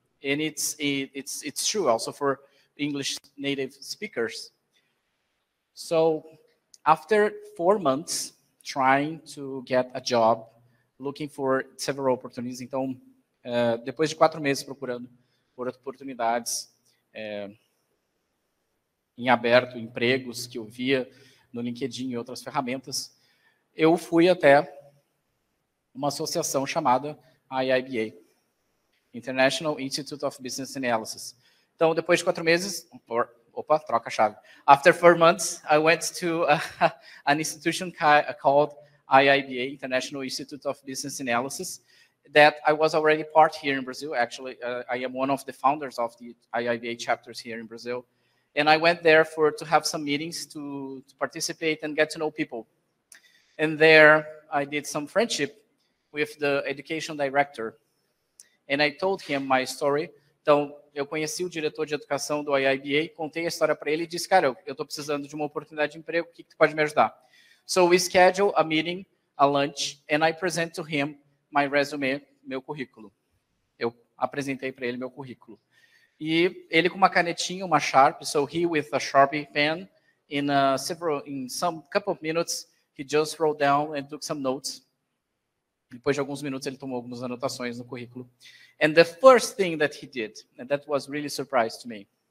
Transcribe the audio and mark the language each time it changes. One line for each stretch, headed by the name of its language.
English: And it's true also for English native speakers. So after 4 months trying to get a job, looking for several opportunities,
Portuguese: então, depois de 4 meses procurando por oportunidades em aberto, empregos que eu via no LinkedIn e outras ferramentas, eu fui até uma associação chamada IIBA, International Institute of Business Analysis. Então, depois de 4 meses, opa, troca a chave.
English: After 4 months, I went to an institution called IIBA, International Institute of Business Analysis, that I was already part here in Brazil. Actually, I am one of the founders of the IIBA chapters here in Brazil. And I went there to have some meetings to participate and get to know people. And there, I did some friendship with the education director. And I told him my story.
Portuguese: Então, eu conheci o diretor de educação do IIBA, contei a história para ele e disse, cara, eu estou precisando de uma oportunidade de emprego, o que tu pode me ajudar?
English: So we schedule a meeting, a lunch, and I present to him my resume,
Portuguese: meu currículo. Eu apresentei para ele meu currículo. E ele com uma canetinha, uma Sharp,
English: so he with a Sharpie pen, in some couple of minutes, he just wrote down and took some notes.
Portuguese: Depois de alguns minutos, ele tomou algumas anotações no currículo.
English: And the first thing that he did, and that was really surprised to me.